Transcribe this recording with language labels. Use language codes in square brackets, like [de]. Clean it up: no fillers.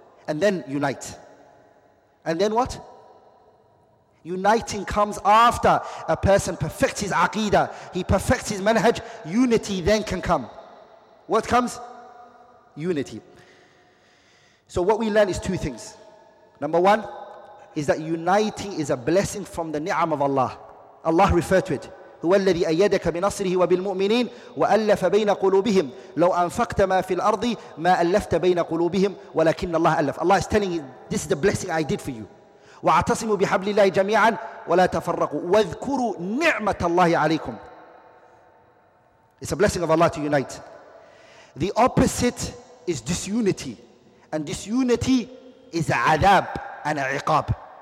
[en] And then unite. And then what? Uniting comes after a person perfects his aqidah. He perfects his manhaj. Unity then can come. What comes? Unity. So what we learn is two things. Number one is that uniting is a blessing from the ni'am of Allah. Allah referred to it. [ar] هو الذي أيدك بنصره وبالمؤمنين وألف بين قلوبهم لو أنفقت ما في الأرض ما ألفت بين قلوبهم ولكن الله ألف. [en] Allah is telling you, this is the blessing I did for you. [ar] وَعَتَصِمُوا بِحَبْلِ اللَّهِ جَمِيعًا وَلَا تَفَرَّقُوا وَذْكُرُوا نِعْمَةَ اللَّهِ عَلَيْكُمْ. [en] It's a blessing of Allah to unite. The opposite is disunity. And disunity is عذاب and عقاب.